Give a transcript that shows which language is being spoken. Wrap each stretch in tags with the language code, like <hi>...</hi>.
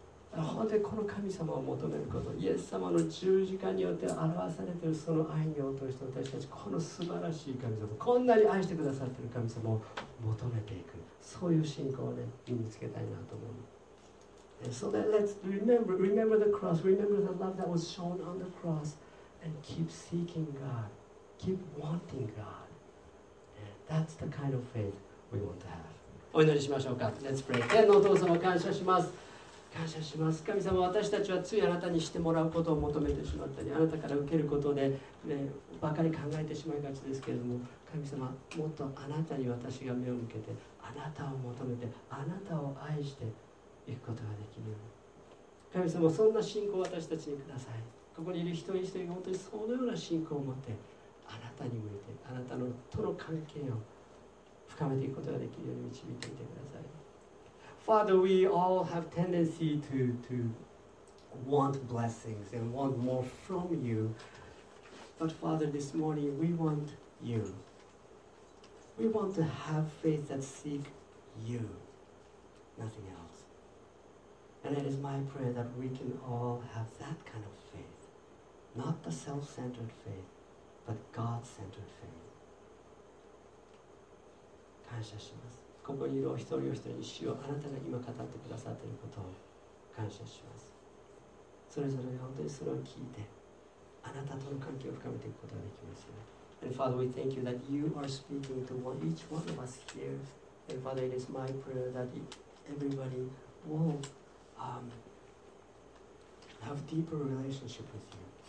<ja>本当にこの神様を求めること、イエス様の十字架によって表されているその愛に応答して、私たちこの素晴らしい神様、こんなに愛してくださっている神様を求めていく、そういう信仰を、ね、身につけたいなと思う。</ja> <en>So then let's remember the cross, remember the love that was shown on the cross, and keep seeking God. Keep wanting God. That's the kind of faith we want to have.</en> <ja>お祈りしましょうか。</ja> <en>Let's pray.</en> <ja>天のお父様、感謝します。感謝します。神様、私たちはついあなたにしてもらうことを求めてしまったり、あなたから受けることで、ね、ばかり考えてしまいがちですけれども、神様、もっとあなたに私が目を向けて、あなたを求めて、あなたを愛していくことができるように。神様、そんな信仰を私たちにください。ここにいる一人一人が本当にそのような信仰を持って、あなたに向いて、あなたのとの関係を深めていくことができるように導いていてください。</ja> <en>Father, we all have tendency to want blessings and want more from you. But Father, this morning we want you. We want to have faith that seek you, nothing else. And it is my prayer that we can all have that kind of faith, not the self-centered faith. But God-centered faith.</en> <ja>感謝します。ここにいるお一人お一人に主よ、あなたが今語ってくださっていることを感謝します。それぞれが本当にそれを聞いて、あなたとの関係を深めていくことができますよ。</ja> <en>And Father, we thank you that you are speaking to each one of us here. And Father, it is my prayer that everybody will have deeper relationship with you.</en>